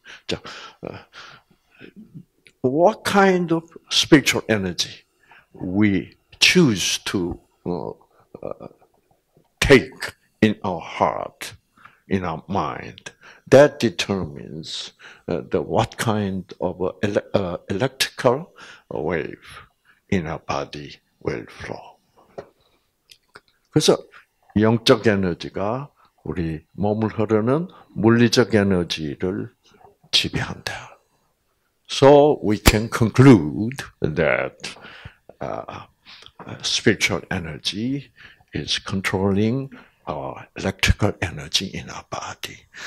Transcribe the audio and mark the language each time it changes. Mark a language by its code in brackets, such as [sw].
[en] 자, what kind of spiritual energy we choose to take in our heart, in our mind, that determines the what kind of electrical wave in our body will flow. [ko] 그래서 영적 에너지가 우리 몸을 흐르는 물리적 에너지를 지배한다. [en] So we can conclude that spiritual energy is controlling our electrical energy in our body.